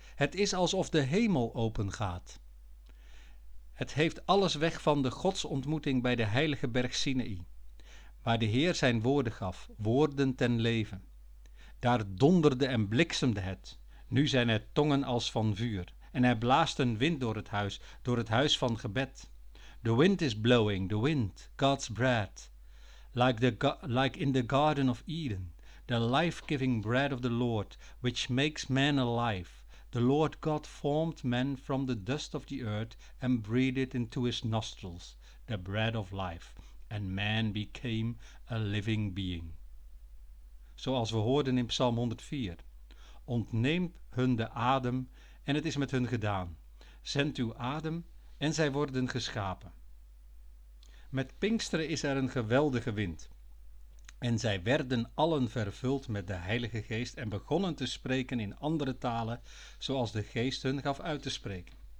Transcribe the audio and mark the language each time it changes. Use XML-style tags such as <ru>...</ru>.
<nl>Het is alsof de hemel opengaat. Het heeft alles weg van de godsontmoeting bij de heilige berg Sinaï. Waar de Heer zijn woorden gaf, woorden ten leven. Daar donderde en bliksemde het. Nu zijn er tongen als van vuur. En hij blaast een wind door het huis van gebed.</nl> <en>The wind is blowing, the wind, God's bread. Like in the Garden of Eden, the life-giving bread of the Lord, which makes man alive. The Lord God formed man from the dust of the earth and breathed into his nostrils, the bread of life. And man became a living being.</en> <nl>Zoals we hoorden in Psalm 104. Ontneem hun de adem en het is met hun gedaan. Zend uw adem en zij worden geschapen. Met Pinksteren is er een geweldige wind. En zij werden allen vervuld met de Heilige Geest en begonnen te spreken in andere talen zoals de Geest hun gaf uit te spreken.</nl>